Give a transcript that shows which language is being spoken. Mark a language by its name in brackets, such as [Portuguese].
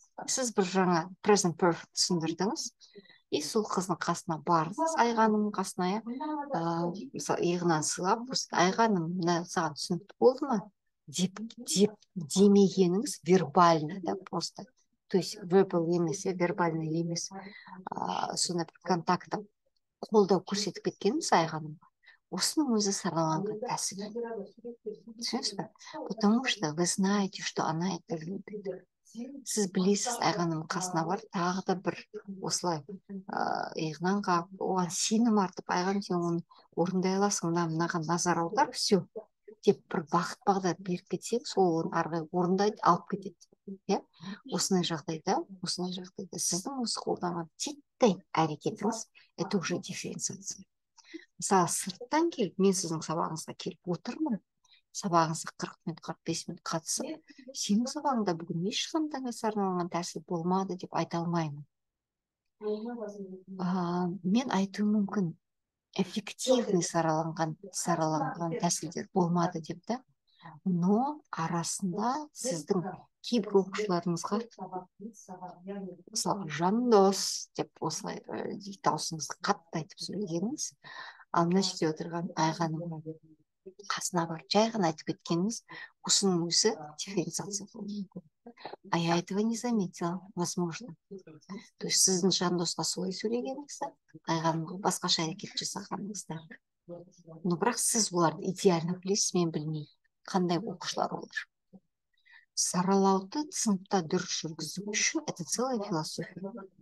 [Kazakh] Сіз бір жаңа present perfect түсіндірдіңіз. И сол қыздың қасына барыңыз, айғаным қасына, мысалы, иығынан сыйлап, айғаным, мына саған түсінікті болды ма? Деп демегеніңіз [Russian] вербально, да, просто. То есть [Kazakh] verbal емес, вербально емес, сонда бір контакты қолдау көрсетіп кеткеніңіз айғаным. Осының өзі сараланған тәсіл. Түсініңіз бе? [Russian] Потому что вы знаете, что она это любит. [Kazakh] Сіз білесіз, айғаным қасына бар, тағы да бір осылай иығынан қағып, оған сенім артып, айғаным сен оны орындай аласың, мынаған назар аудар, все, деп бір бақыт бағдар беріп кетсең, сол оны арғай орындайды, алып кетеді. Осындай жағдайда, сіздің осы қолданған титтей әрекетіңіз, [Russian] это уже дифференциация. [Kazakh] Мысалы, сырттан келіп, мен сіздің сабағыңызға келіп отырмын. Сабағыңызға 40 минут, 45 минут қатысып, сенің сабағыңда бүгін ешқандай сарналған тәсіл болмады деп айта алмаймын. Мен айтуым мүмкін, эффективный сараланған тәсілдер болмады деп, да? Но арасында сіздің кейбір оқушыларыңызға, мысалы, жандос деп осылай дауысыңызды қатты айтып сөйлегеніңіз, ал мына жерде отырған айғаным қасына бар, жай ғана айтып кеткеніңіз, осының өзі дифференциация болды. [Russian] А я этого не заметила, возможно. То есть [Kazakh] сіздің жандосқа солай сөйлегеніңізді, айғанымға басқаша әрекет жасағаныңызды. Но бірақ сіз оларды идеально білесіз, мен білмей, қандай оқушылар олар. Саралауды сыныпта дұрыс жүргізу үшін, [Russian] это целая философия.